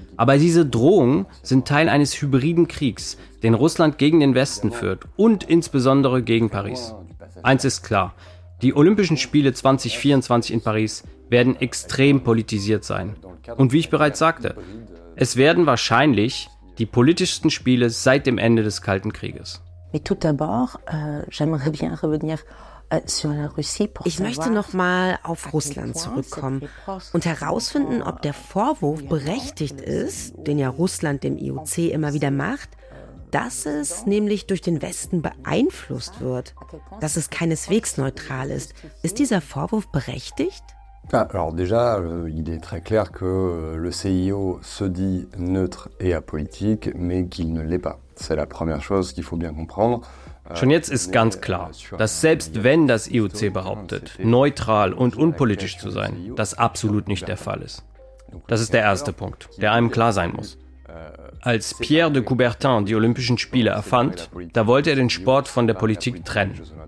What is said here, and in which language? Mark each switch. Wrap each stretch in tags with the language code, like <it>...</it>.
<de>Aber diese Drohungen sind Teil eines hybriden Kriegs, den Russland gegen den Westen führt und insbesondere gegen Paris. Eins ist klar, die Olympischen Spiele 2024 in Paris werden extrem politisiert sein. Und wie ich bereits sagte, es werden wahrscheinlich die politischsten Spiele seit dem Ende des Kalten Krieges.</de> <fr>Mais tout d'abord, j'aimerais bien revenir sur la Russie pour savoir.</fr> <de>Ich möchte nochmal auf Russland zurückkommen und herausfinden, ob der Vorwurf berechtigt ist, den ja Russland dem IOC immer wieder macht, dass es nämlich durch den Westen beeinflusst wird, dass es keineswegs neutral ist. Ist dieser Vorwurf berechtigt?</de> <fr>Alors déjà, il est très clair que le CIO se dit neutre et apolitique, mais qu'il ne l'est pas. C'est la première chose qu'il faut bien comprendre.</fr> <de>Schon jetzt ist ganz klar, dass selbst wenn das IOC behauptet, neutral und unpolitisch zu sein, das absolut nicht der Fall ist. Das ist der erste Punkt, der einem klar sein muss. Als Pierre de Coubertin die Olympischen Spiele erfand, da wollte er den Sport von der Politik trennen.</de>